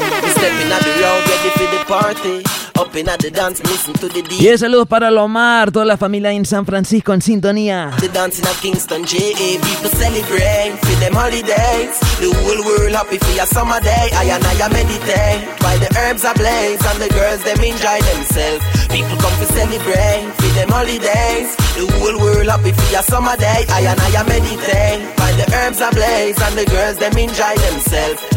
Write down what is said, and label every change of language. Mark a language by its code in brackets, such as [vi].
[en] Stepping out the road, ready for the party. Open at the dance, listen to the DJ. [es] Y saludos para Lomar, toda la familia en San Francisco en sintonía. [en] The dancing at Kingston, J.A. People celebrate for them holidays. The whole world happy for your summer day. I and I meditate while the herbs are blaze and the girls them enjoy themselves. People come to celebrate for them holidays. The whole world happy for your summer day. I and I meditate while the herbs are blaze and the girls them enjoy themselves.